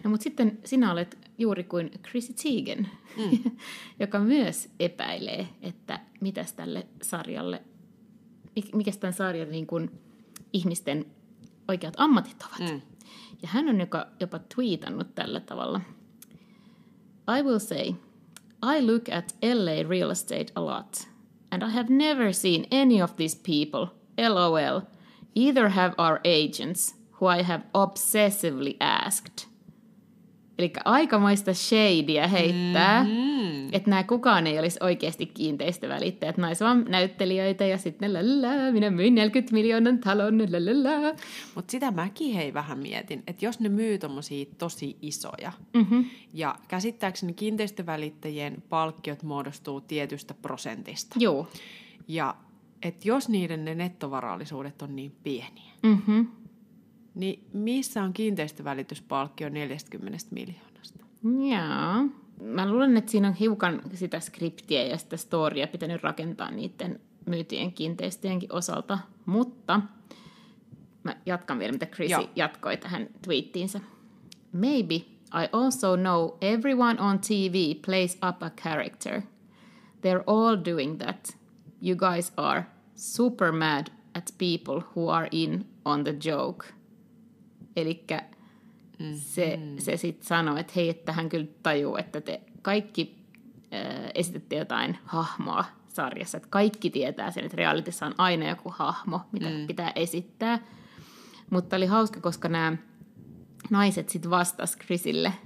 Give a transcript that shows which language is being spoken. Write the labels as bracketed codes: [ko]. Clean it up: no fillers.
[fi] No, mutta sitten sinä olet juuri kuin Chrissy Teigen, joka myös epäilee, että mitäs tälle sarjalle, mikäs tämän sarjan niin kuin ihmisten oikeat ammatit ovat. Mm. Ja hän on jopa twiitannut tällä tavalla. [en] I will say, I look at LA real estate a lot, and I have never seen any of these people, LOL, either have our agents, who I have obsessively asked. [fi] Elikkä aikamoista shadeä heittää, että nämä kukaan ei olisi oikeasti kiinteistövälittäjät, nämä olisivat vain näyttelijöitä, ja sitten lalala, minä myin 40 miljoonan talon, lalala. Mutta sitä mäkin hei vähän mietin, että jos ne myy tommosia tosi isoja, ja käsittääkseni kiinteistövälittäjien palkkiot muodostuu tietystä prosentista. Joo. Ja että jos niiden ne nettovarallisuudet on niin pieniä, niin missä on kiinteistövälityspalkkio 40 miljoonasta? Joo. Mä luulen, että siinä on hiukan sitä skriptiä ja sitä storia pitänyt rakentaa niiden myytien kiinteistöjenkin osalta. Mutta mä jatkan vielä, mitä Chrissy jatkoi tähän twiittiinsä. [en] Maybe I also know everyone on TV plays up a character. They're all doing that. You guys are super mad at people who are in on the joke. [fi] Elikkä se sitten sanoo, että hei, että hän kyllä tajuu, että te kaikki esitette jotain hahmoa sarjassa. Että kaikki tietää sen, että realitissa on aina joku hahmo, mitä pitää esittää. Mutta oli hauska, koska nämä naiset sitten vastasivat Chrissylle.